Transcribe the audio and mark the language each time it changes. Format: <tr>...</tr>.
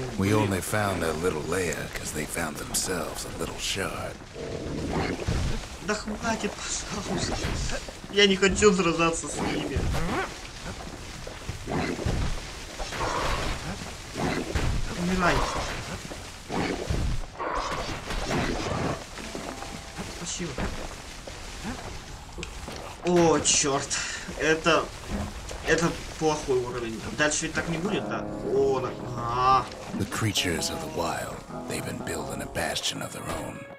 <en>we only found their little lair because they found themselves a little shard.</en> <ru>Да хватит, пожалуйста. Я не хочу сражаться с ними. Умирай. Спасибо. О, черт. Это плохой уровень. Дальше ведь так не будет, да? О, да.</ru> <en>The creatures of the wild, they've been building a bastion of their own.</en>